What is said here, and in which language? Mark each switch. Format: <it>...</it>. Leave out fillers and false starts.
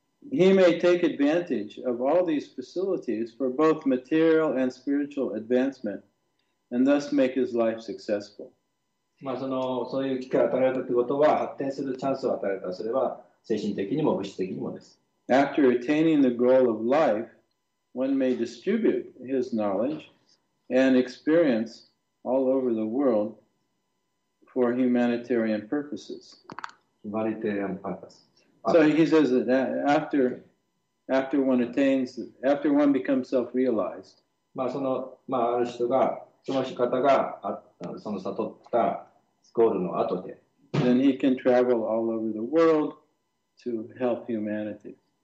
<en>He may take advantage of all these facilities for both material and spiritual advancement, and thus make his life successful.</en> <ja>まあ、そういう機会を与えられたということは、発展するチャンスを与えた、それは精神的にも物質的にもです。</ja> <en>After attaining the goal of life, one may distribute his knowledge and experience all over the world for humanitarian purposes. Humanitarian purpose. So he says that after one attains, after one becomes self-realized, then he can travel all over the world to help humanity.</en>